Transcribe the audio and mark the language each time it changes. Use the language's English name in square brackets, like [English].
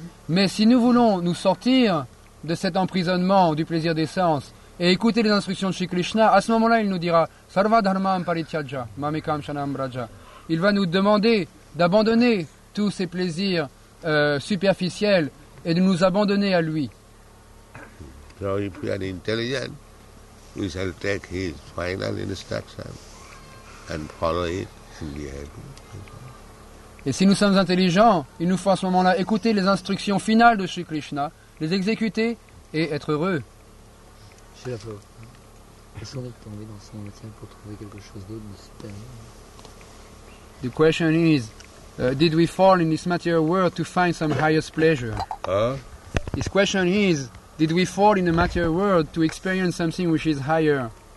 [French] Mais si nous voulons nous sortir de cet emprisonnement du plaisir des sens et écouter les instructions de Sri Krishna, à ce moment-là, il nous dira Sarvadharma Paritya Mamikam Shanam Braja. Il va nous demander d'abandonner tous ces plaisirs superficiels et de nous abandonner à lui. [English] So if we are intelligent, we shall take his final instruction and follow it and be happy. [French] Et si nous sommes intelligents, il nous faut à ce moment-là écouter les instructions finales de Sri Krishna, les exécuter et être heureux. Je suis là-bas. Est-ce qu'on est tombé dans son maintien pour trouver quelque chose d'autre de super? [English] The question is, did we fall in this material world to find some highest pleasure? His question is, did we fall in the material world to experience something which is higher?